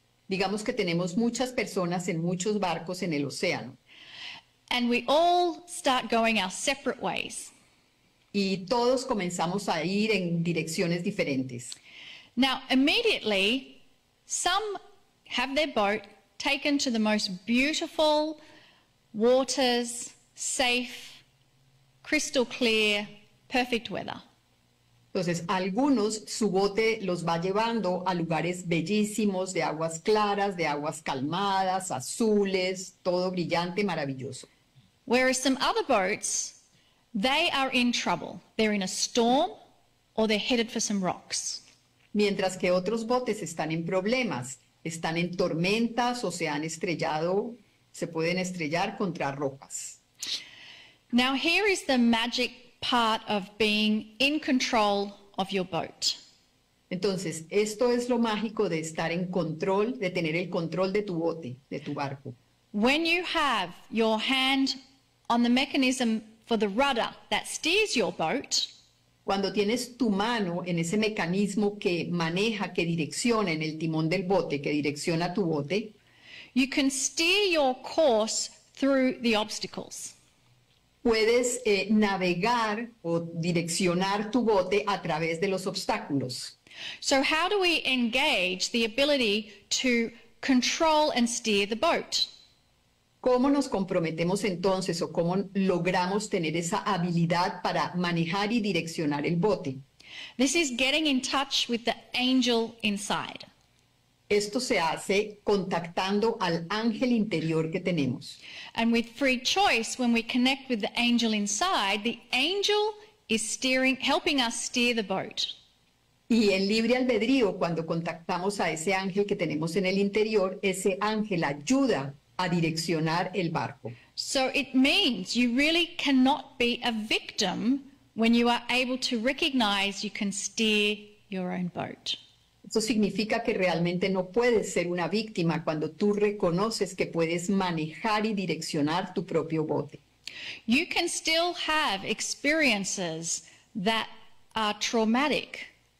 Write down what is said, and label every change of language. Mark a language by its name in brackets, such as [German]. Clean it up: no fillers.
[Spanish] Digamos que tenemos muchas personas en muchos barcos en el océano. [English] And we all start going our separate ways. [Spanish] Y todos comenzamos a ir en direcciones diferentes. [English] Now, immediately, some have their boat taken to the most beautiful waters, safe, crystal clear, perfect weather. [Spanish] Entonces, algunos, su bote los va llevando a lugares bellísimos, de aguas claras, de aguas calmadas, azules, todo brillante, maravilloso. [English] Whereas some other boats, they are in trouble. They're in a storm or they're headed for some rocks. [Spanish] Mientras que otros botes están en problemas, están en tormentas o se han estrellado, se pueden estrellar contra rocas. [English] Now here is the magic part of being in control of your boat. [Spanish] Entonces, esto es lo mágico de estar en control, de tener el control de tu bote, de tu barco. [English] When you have your hand on the mechanism for the rudder that steers your boat, [Spanish] cuando tienes tu mano en ese mecanismo que maneja, que direcciona en el timón del bote, que direcciona tu bote, [English] you can steer your course through the obstacles. [Spanish] Puedes navegar o direccionar tu bote a través de los obstáculos. [English] So how do we engage the ability to control and steer the boat? [Spanish] ¿Cómo nos comprometemos entonces o cómo logramos tener esa habilidad para manejar y direccionar el bote? [English] This is getting in touch with the angel inside. [Spanish] Esto se hace contactando al ángel interior que tenemos. [English] And with free choice, when we connect with the angel inside, the angel is steering, helping us steer the boat. [Spanish] Y en libre albedrío, cuando contactamos a ese ángel que tenemos en el interior, ese ángel ayuda a direccionar el barco. [English] So it means you really cannot be a victim when you are able to recognize you can steer your own boat. [Spanish] Eso significa que realmente no puedes ser una víctima cuando tú reconoces que puedes manejar y direccionar tu propio bote. [English] You can still have experiences that are traumatic.